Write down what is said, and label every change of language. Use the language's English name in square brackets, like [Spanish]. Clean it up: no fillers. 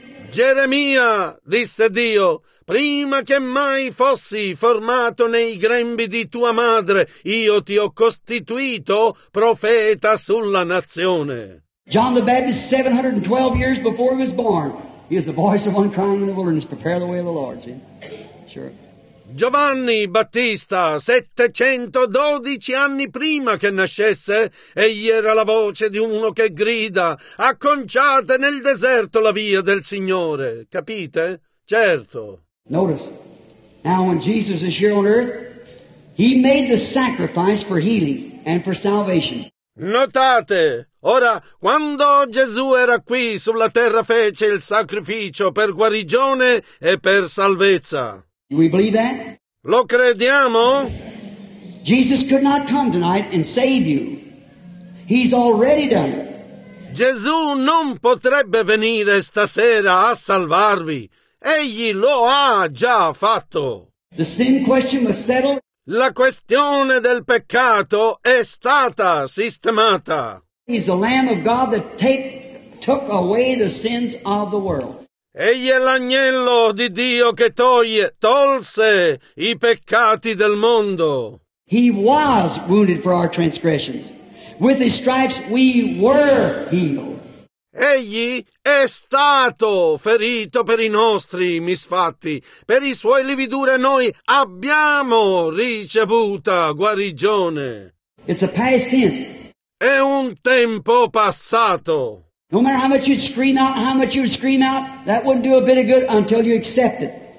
[Italian] Geremia disse Dio, prima che mai fossi formato nei grembi di tua madre, io ti ho costituito profeta sulla nazione. [English] John the Baptist, 712 years before he was born, he was the voice of one crying in the wilderness, prepare the way of the Lord. See? Sure. [Italian] Giovanni Battista, 712 anni prima che nascesse, egli era la voce di uno che grida, acconciate nel deserto la via del Signore. Capite? Certo. [English] Notice, now when Jesus is here on earth, he made the sacrifice for healing and for salvation. [Italian] Notate, ora, quando Gesù era qui sulla terra fece il sacrificio per guarigione e per salvezza. [English] We believe that? [Italian] Lo crediamo? [English] Jesus could not come tonight and save you. He's already done it. [Italian] Gesù non potrebbe venire stasera a salvarvi. Egli lo ha già fatto. [English] The sin question was settled. [Italian] La questione del peccato è stata sistemata. [English] He's the Lamb of God that took away the sins of the world. [Italian] Egli è l'agnello di Dio che tolse i peccati del mondo. [English] He was wounded for our transgressions. With his stripes we were healed. [Italian] Egli è stato ferito per i nostri misfatti. Per i suoi lividure noi abbiamo ricevuta guarigione. [English] It's a past tense. [Italian] È un tempo passato. [English] No matter how much you scream out, how much you scream out, that wouldn't do a bit of good until you accept it.